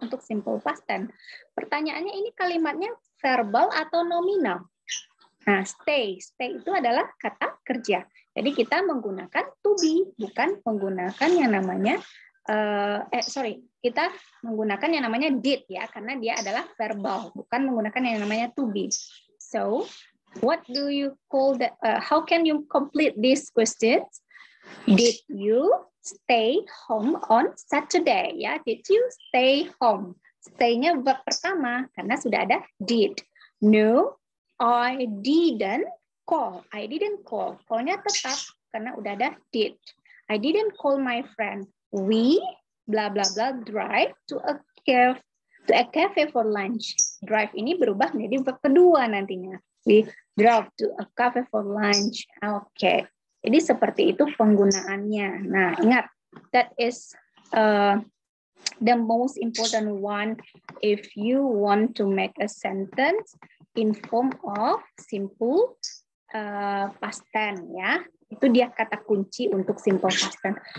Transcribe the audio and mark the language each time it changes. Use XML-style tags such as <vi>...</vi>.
<id>Untuk simple past tense. Pertanyaannya ini kalimatnya verbal atau nominal? Nah, stay. Stay itu adalah kata kerja. Jadi kita menggunakan to be, bukan menggunakan yang namanya kita menggunakan yang namanya did, ya, karena dia adalah verbal, bukan menggunakan yang namanya to be.</id> <en>So, what do you call the how can you complete this question? Did you stay home on Saturday? Ya, yeah, did you stay home?</en> <id>Stay-nya verb pertama karena sudah ada did.</id> <en>No, I didn't call. I didn't call.</en> <id>Call-nya tetap karena udah ada did.</id> <en>I didn't call my friend. We blah blah blah drive to a cafe for lunch.</en> <id>Drive ini berubah menjadi verb kedua nantinya.</id> <en>We drove to a cafe for lunch. Okay.</en> <id>Jadi seperti itu penggunaannya. Nah, ingat,</id> <en>that is the most important one if you want to make a sentence in form of simple past tense, ya.</en> <id>Itu dia kata kunci untuk simple past tense.</id>